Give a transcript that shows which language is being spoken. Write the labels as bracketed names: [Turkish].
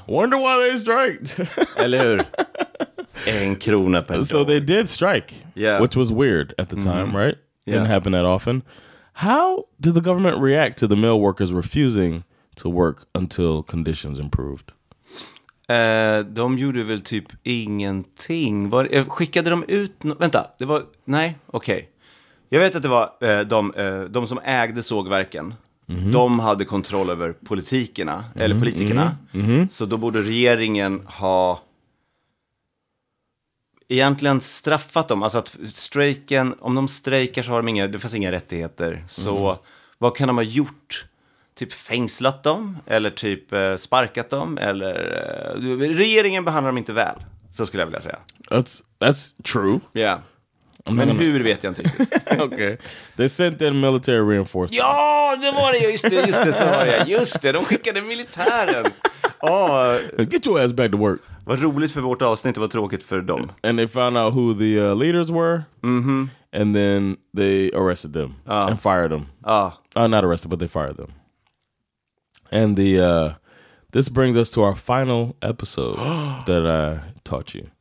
[English] Wonder why they striked. [Swedish] Eller hur? En krona per dag. [English] So they did strike. Yeah. Which was weird at the time, right? Yeah. Didn't happen that often. How did the government react to the mill workers refusing to work until conditions improved? [Swedish] De gjorde väl typ ingenting. Skickade de ut... Vänta. Det var... Nej. Okej. Okay. Jag vet att det var de som ägde sågverken. Mm-hmm. De hade kontroll över politikerna. Mm-hmm. Eller politikerna. Mm-hmm. Så då borde regeringen ha egentligen straffat dem. Alltså att strejken, om de strejkar så har de inga, det fanns inga rättigheter. Så vad kan de ha gjort? Typ fängslat dem? Eller typ sparkat dem? Eller regeringen behandlar dem inte väl. Så skulle jag vilja säga. [English] That's true. [Swedish] Ja. Yeah. Men hur vet jag inte riktigt. [English] Okay. They sent in military reinforcements. [Swedish] Ja, det var det. Just det. De skickade militären. Oh. [English] Get your ass back to work. [Swedish] Vad roligt för vårt avsnitt. Det var tråkigt för dem. [English] And they found out who the leaders were. Mm-hmm. And then they arrested them. And fired them. Not arrested, but they fired them. And the this brings us to our final episode that I taught you.